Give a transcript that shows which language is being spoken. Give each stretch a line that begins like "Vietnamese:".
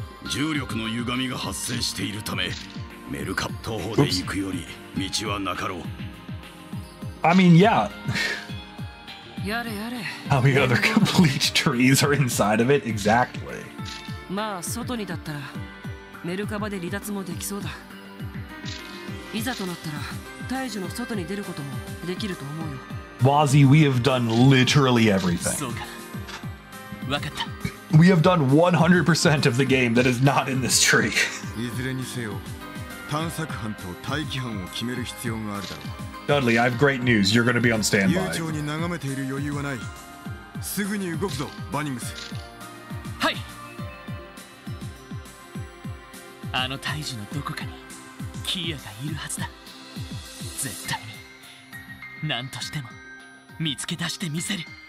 Japanese: 重力の歪みが発生しているため、メルカプ東方で行くより道はなかろう。
English: I mean, yeah.
Japanese: やれやれ。
English: How many other complete trees are inside of it? Exactly.
Japanese: まあ外にだったらメルカバで離脱もできそうだ。いざとなったら大樹の外に出ることもできると思うよ。
English: Wazzy, we have done literally everything.
Japanese: そうか。わかった。
English: We have done 100% of the game that is not in this tree.
Japanese: いずれにせよ、探索班と待機班を決める必要があるだろう。
English: Dudley, I have great news. You're going to be on standby.
Japanese: 悠長に眺めている余裕はない。すぐに動くぞ、バニングス。はい。あの大樹のどこかにキアがいるはずだ。絶対に何としても見つけ出してみせる。